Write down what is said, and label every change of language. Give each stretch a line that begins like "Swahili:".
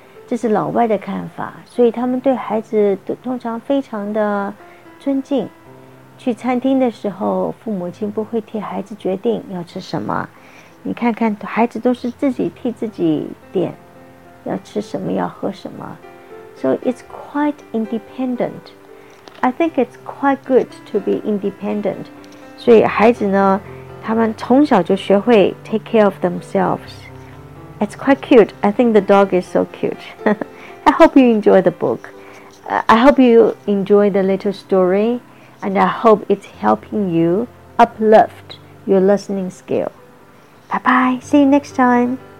Chinese: 这是老外的看法，所以他们对孩子都通常非常的尊敬。去餐厅的时候，父母亲不会替孩子决定要吃什么，你看看孩子都是自己替自己点要吃什么要喝什么。
English: So it's quite independent. I think it's quite good to be independent.
Chinese: 所以孩子呢，他们从小就学会
English: take care of themselves. It's quite cute. I think the dog is so cute. I hope you enjoy the book. I hope you enjoy the little story. And I hope it's helping you uplift your listening skill. Bye bye. See you next time.